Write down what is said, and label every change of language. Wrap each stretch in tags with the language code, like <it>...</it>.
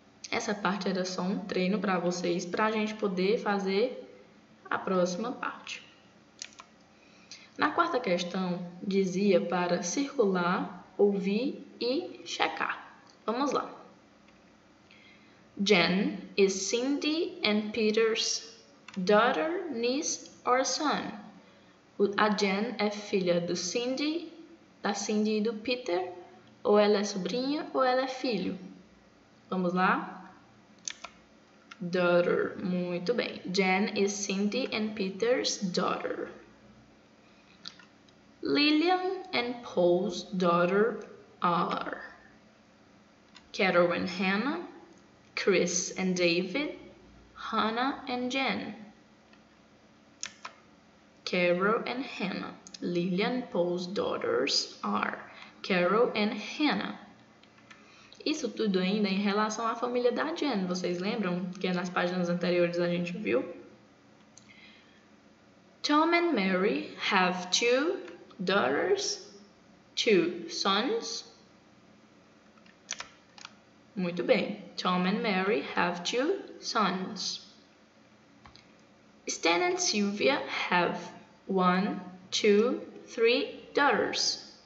<pt>Essa parte era só um treino para vocês, para a gente poder fazer a próxima parte. Na quarta questão, dizia para circular, ouvir e checar. Vamos lá.</pt> <en>Jen is Cindy and Peter's daughter, niece or son.</en> <pt>A Jen é filha do Cindy, da Cindy e do Peter, ou ela é sobrinha ou ela é filho. Vamos lá? Daughter, muito bem.</pt> <en>Jen is Cindy and Peter's daughter. Lillian and Paul's daughter are Carol and Hannah, Chris and David, Hannah and Jen. Carol and Hannah. Lillian Paul's daughters are Carol and Hannah.</en> <pt>Isso tudo ainda em relação à família da Jen. Vocês lembram que nas páginas anteriores a gente viu?</pt> <en>Tom and Mary have two daughters, two sons.</en> <pt>Muito bem.</pt> <en>Tom and Mary have two sons. Stan and Sylvia have one, two, three daughters.</en>